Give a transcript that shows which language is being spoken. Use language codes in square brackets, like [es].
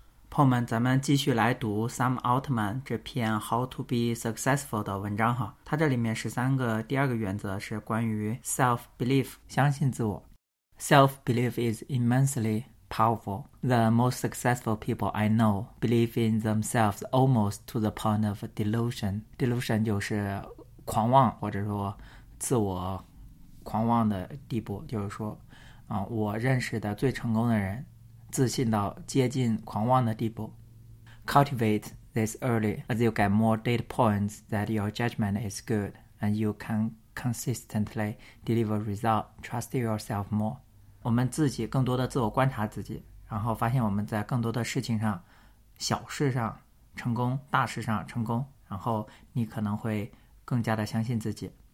[zh] 朋友们，咱们继续来读 Sam Altman 这篇 How to be successful 的文章哈。它这里面13个第二个原则是关于 self-belief, 相信自我。 [en] Self-belief is immensely powerful. The most successful people I know believe in themselves almost to the point of delusion. [zh] Delusion 就是狂妄或者说自我狂妄的地步，就是说我认识的最成功的人自信到接近狂妄的地步。 [en] Cultivate this early as you get more data points that your judgment is good and you can consistently deliver results. Trust yourself more. [zh] 我们自己更多的自我观察自己，然后发现我们在更多的事情上，小事上成功，大事上成功，然后你可能会更加的相信自己。